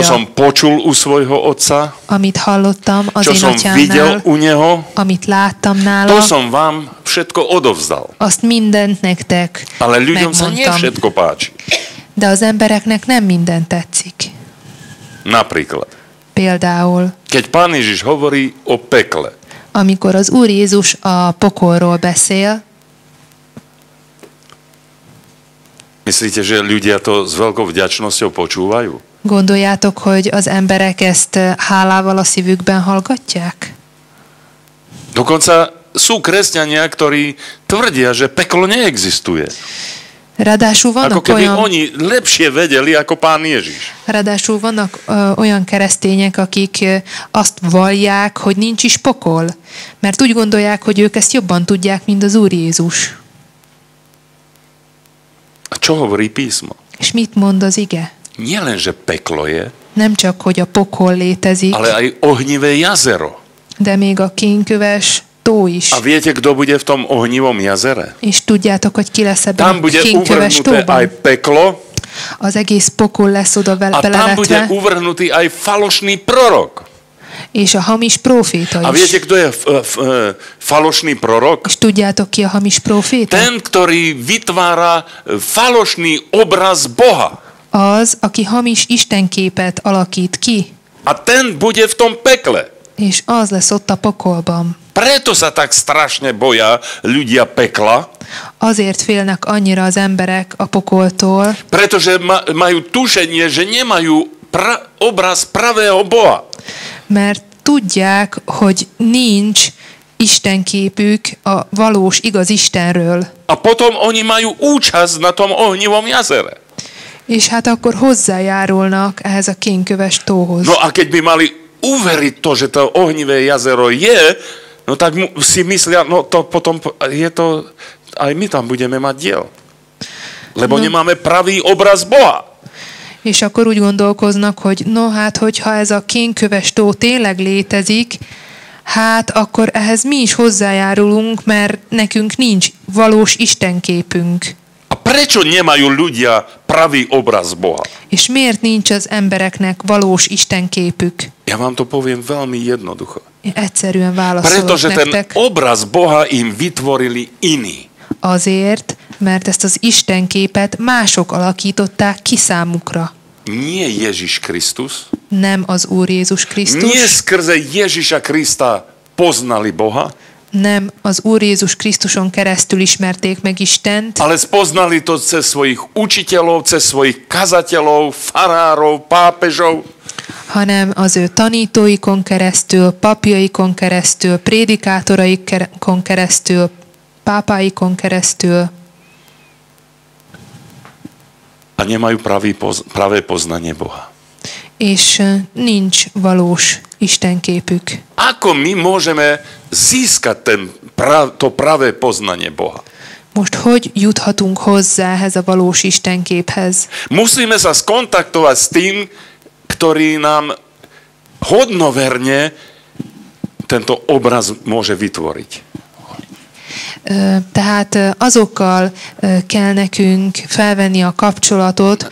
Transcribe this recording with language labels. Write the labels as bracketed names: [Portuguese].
[Slovak] Čo som počul u svojho otca. [Hungarian] Amit hallottam az én atyámnál. [Slovak] Čo som videl u neho. [Hungarian] Amit láttam nála. [Slovak] To som vám všetko odovzdal. [Hungarian] Azt mindent nektek. [Slovak] Ale ľuďom sa nie všetko páči. [Hungarian] De az embereknek nem minden tetszik. [Slovak] Napríklad. [Hungarian] Például. [Slovak] Keď Pán Ježiš hovorí o pekle. [Hungarian] Amikor az Úr Jézus a pokolról beszél. [Slovak] Myslíte, že ľudia to s veľkou vďačnosťou počúvajú? [Hungarian] Gondoljátok, hogy az emberek ezt hálával a szívükben hallgatják? [Slovak] Dokonca sú kresťania, ktorí tvrdia, že peklo neexistuje. [Hungarian] Ráadásul vannak [Slovak] ako keby [Hungarian] olyan... [Slovak] oni lepšie vedeli ako pán Ježiš. [Hungarian] Ráadásul vannak olyan keresztények, akik azt vallják, hogy nincs is pokol, mert úgy gondolják, hogy ők ezt jobban tudják, mint az Úr Jézus. [Slovak] A čo hovorí písmo? [Hungarian] És mit mond az ige? [Slovak] Nielenže peklo je. [Hungarian] Nem csak, hogy a pokol létezik. [Slovak] Ale aj ohnivé jazero. [Hungarian] De még a kénköves tó is. [Slovak] A viete, kdo bude v tom ohnivom jazere? [Hungarian] És tudjátok, hogy ki lesz ebben [Slovak] tam bude [Hungarian] kénköves tóban? [Slovak] Aj peklo. [Hungarian] Az egész pokol lesz oda beleretve. [Slovak] A tam bude uvrhnutý aj falošný prorok. [Hungarian] És a hamis proféta is. [Slovak] A viete, kdo je falošný prorok? [Hungarian] És tudjátok, ki a hamis proféta? [Slovak] Ten, ktorý vytvára falošný obraz Boha. [Hungarian] Az, aki hamis istenképet alakít ki. [Slovak] A ten bude v tom pekle. [Hungarian] És az lesz ott a pokolban. [Slovak] Preto sa tak strašne boja ľudia pekla. [Hungarian] Azért félnek annyira az emberek a pokoltól. [Slovak] Pretože majú tušenie, že nemajú obraz pravého Boha. [Hungarian] Mert tudják, hogy nincs istenképük a valós, igaz Istenről. [Slovak] A potom oni majú účasť na tom ohnivom jazere. [Hungarian] És hát akkor hozzájárulnak ehhez a kénköves tóhoz. [Slovak] No, a keď by mali uveriť to, že to ohnivé jazero je, no tak si myslia, no to potom je to, aj my tam budeme mať diel. Lebo no, nemáme pravý obraz Boha. [Hungarian] És akkor úgy gondolkoznak, hogy no hát, hogyha ez a kénköves tó tényleg létezik, hát akkor ehhez mi is hozzájárulunk, mert nekünk nincs valós istenképünk. [Slovak] A prečo nemajú ľudia pravý obraz Boha? [Hungarian] És miért nincs az embereknek valós istenképük? [Slovak] Ja vám to poviem veľmi jednoducho. [Hungarian] Egyszerűen válaszolok [Slovak] Pretože [Hungarian] nektek. [Slovak] Pretože ten obraz Boha im vytvorili iní. [Hungarian] Azért, mert ezt az istenképet mások alakították ki számukra. [Slovak] Nie Ježiš Krisztus. [Hungarian] Nem az Úr Jézus Krisztus. [Slovak] Nie skrze Ježiša Krista poznali Boha. [Hungarian] Nem az Úr Jézus Krisztuson keresztül ismerték meg Istent. [Slovak] Ale spoznali to cez svojich učiteľov, cez svojich kazateľov, farárov, pápežov. [Hungarian] Hanem az ő tanítóikon keresztül, papjaikon keresztül, prédikátoraikon keresztül, pápáikon keresztül. [Slovak] A nemajú pravé poznanie Boha. [Hungarian] És nincs valós istenképük. [Slovak] Ako my môžeme získať to pravé poznanie Boha? [Hungarian] Most hogy juthatunk hozzá ehhez a valós istenképhez? [Slovak] Musíme sa skontaktovať s tým, ktorý nám hodnoverne tento obraz môže vytvoriť. [Hungarian] Tehát azokkal kell nekünk felvenni a kapcsolatot,